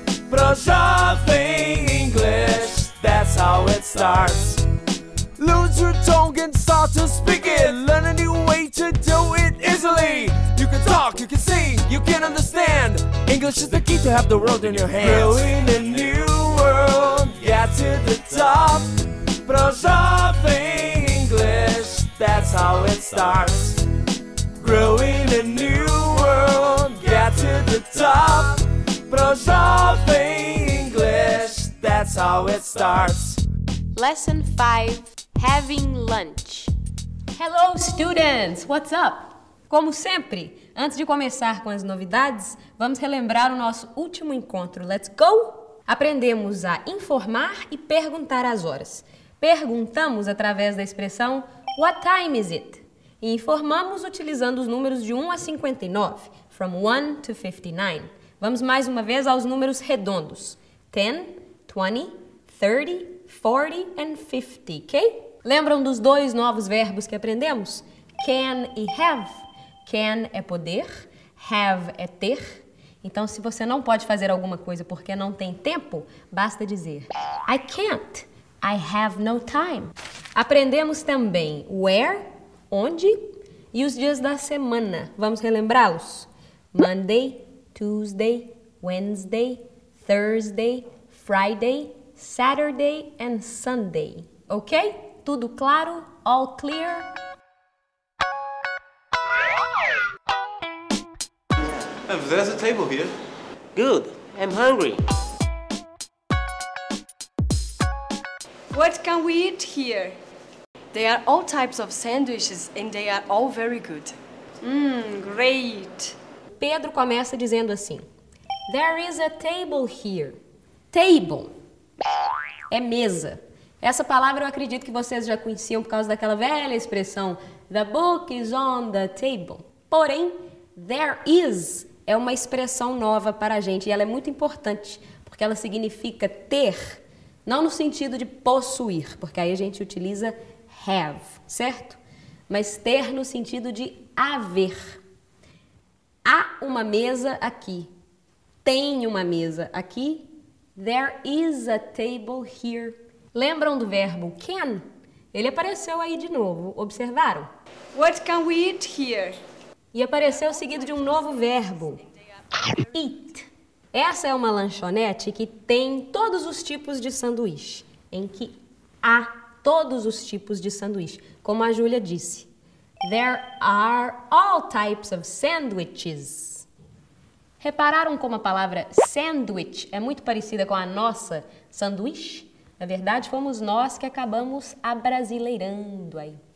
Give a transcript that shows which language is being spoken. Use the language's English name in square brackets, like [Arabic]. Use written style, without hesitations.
[English] Pro Jovem Inglês. That's how it starts. Lose your tongue and start to speak it. Learn a new way to do it easily. You can talk, you can sing, you can understand. English is the key to have the world in your hands. Grow in a new world, get to the top. Pro Jovem Inglês, that's how it starts. Grow in a new world, get to the top. Pro Jovem Inglês, that's how it starts. Lesson 5. Having lunch. Hello, students! What's up? [Portuguese] Como sempre, antes de começar com as novidades, vamos relembrar o nosso último encontro. [English] Let's go! [Portuguese] Aprendemos a informar e perguntar as horas. Perguntamos através da expressão [English] What time is it? [Portuguese] E informamos utilizando os números de 1 a 59. [English] From 1 to 59. [Portuguese] Vamos mais uma vez aos números redondos. [English] 10, 20, 30, 40 and 50, ok? [Portuguese] Lembram dos dois novos verbos que aprendemos? Can e have. Can é poder, have é ter. Então, se você não pode fazer alguma coisa porque não tem tempo, basta dizer [English] I can't, I have no time. [Portuguese] Aprendemos também where, onde e os dias da semana. Vamos relembrá-los? [English] Monday, Tuesday, Wednesday, Thursday, Friday, Saturday and Sunday, ok? [Portuguese] Tudo claro? [English] All clear? There's a table here. Good. I'm hungry. What can we eat here? There are all types of sandwiches and they are all very good. Great. [Portuguese] Pedro começa dizendo assim. [English] There is a table here. [Portuguese] Table. É mesa. Essa palavra eu acredito que vocês já conheciam por causa daquela velha expressão [English] The book is on the table. [Portuguese] Porém, there is é uma expressão nova para a gente e ela é muito importante porque ela significa ter, não no sentido de possuir, porque aí a gente utiliza have, certo? Mas ter no sentido de haver. Há uma mesa aqui. Tem uma mesa aqui. [English] There is a table here. [Portuguese] Lembram do verbo can? Ele apareceu aí de novo. Observaram? [English] What can we eat here? [Portuguese] E apareceu seguido de um novo verbo. Eat. Essa é uma lanchonete que tem todos os tipos de sanduíche. Em que há todos os tipos de sanduíche. Como a Júlia disse. [English] There are all types of sandwiches. [Portuguese] Repararam como a palavra sandwich é muito parecida com a nossa sanduíche? Na verdade, fomos nós que acabamos abrasileirando aí.